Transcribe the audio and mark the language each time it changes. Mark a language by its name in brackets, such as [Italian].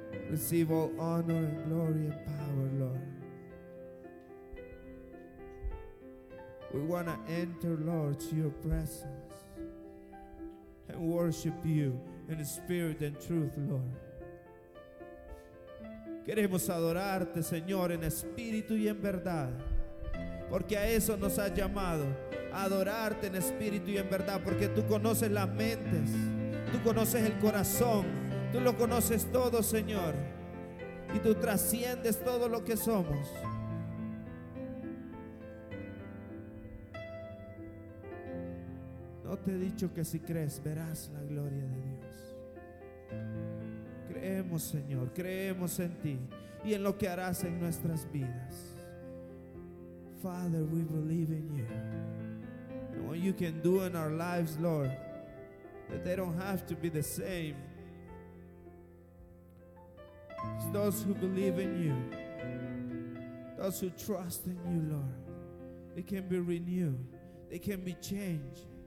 [English] Receive all honor and glory and power, Lord. We want to enter, Lord, to your presence and worship you in spirit and truth, Lord. [Spanish] Queremos adorarte, Señor, en espíritu y en verdad, porque a eso nos has llamado. Adorarte en espíritu y en verdad, porque tú conoces las mentes, tú conoces el corazón, tú lo conoces todo, Señor, y tú trasciendes todo lo que somos. No te he dicho que si crees verás la gloria de Dios. Creemos, Señor, creemos en ti y en lo que harás en nuestras vidas. [English] Father, we believe in you. What you can do in our lives, Lord. that they don't have to be the same. It's those who believe in you, those who trust in you, Lord, they can be renewed, they can be changed.